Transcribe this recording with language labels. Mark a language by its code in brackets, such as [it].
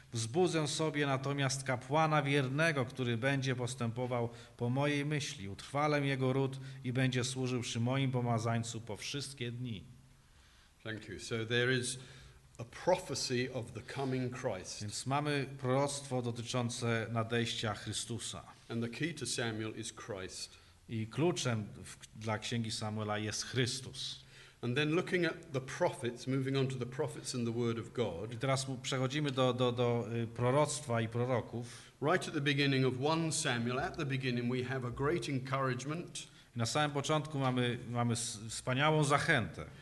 [pl] Wzbudzę sobie natomiast kapłana wiernego, który będzie postępował po mojej myśli. Utrwalę jego ród i będzie służył przy moim pomazańcu po wszystkie dni. [en] Thank you. So there is a prophecy of the coming Christ. [pl] Więc mamy proroctwo dotyczące nadejścia Chrystusa. [en] And the key to Samuel is Christ. [pl] I kluczem dla Księgi Samuela jest Chrystus. [en] And then looking at the prophets, moving on to the prophets and the word of God. [pl] I teraz przechodzimy do proroctwa i proroków. [en] Right at the beginning of 1 Samuel, at the beginning we have a great encouragement. [pl] I na samym początku mamy wspaniałą zachętę.